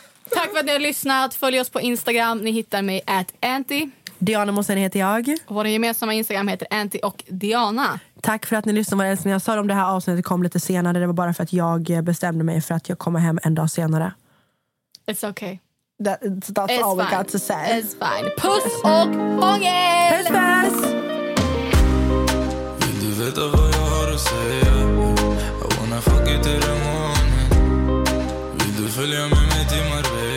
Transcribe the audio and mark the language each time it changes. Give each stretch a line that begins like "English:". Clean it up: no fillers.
Swedish: Tack för att ni har lyssnat, följ oss på Instagram. Ni hittar mig @anti. Diana Mossen heter jag. Vår gemensamma Instagram heter Anti och Diana. Tack för att ni lyssnade, när jag sa om det här avsnittet kom lite senare. Det var bara för att jag bestämde mig för att jag kommer hem en dag senare.
English: It's okay. That's it's all we got to say. It's fine.
Swedish: Puss och mångel. Puss, puss. Vill du veta vad jag har att säga?
English: I wanna fuck you till the morning.
Swedish: Vill du följa med mig till Marbella?